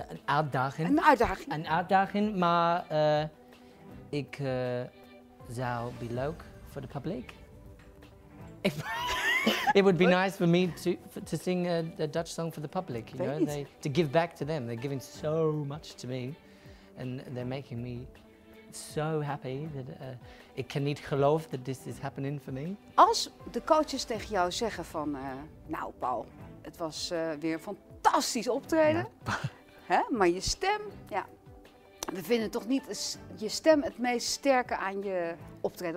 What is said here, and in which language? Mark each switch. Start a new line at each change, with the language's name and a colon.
Dutch: Een uitdaging, maar ik zou be leuk voor het publiek.
English: It would be nice for me to sing a Dutch song for the public, you know, they, to give back to them. They're giving so much to me and they're making me so happy that
Dutch: ik kan niet geloven
English: that this is happening for me.
Dutch: Als de coaches tegen jou zeggen van, nou Paul, het was weer een fantastisch optreden, ja. Hè? Maar je stem, ja, we vinden toch niet je stem het meest sterke aan je optreden.